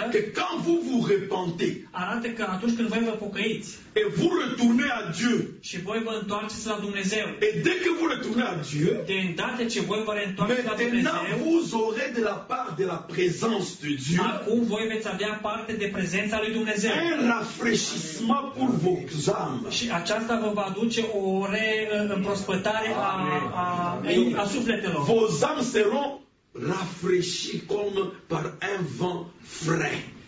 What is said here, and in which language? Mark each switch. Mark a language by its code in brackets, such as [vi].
[ro] că când [fr] vous vous repentez, [ro] arată că atunci când voi vă pocăiți [fr] et vous retournez à Dieu, [ro] și voi vă întoarceți la Dumnezeu, [fr] et dès que vous retournez à Dieu, [ro] de îndată ce voi vă reîntoarceți la Dumnezeu, [fr] vous aurez de la part de la présence de Dieu, [ro] acum voi veți avea parte de prezența lui Dumnezeu, [fr] un rafraîchissement pour vos âmes, [ro] și aceasta vă va aduce o reîmprospătare a sufletelor. [fr] Vos âmes seront rafraîchi comme par un vent frais.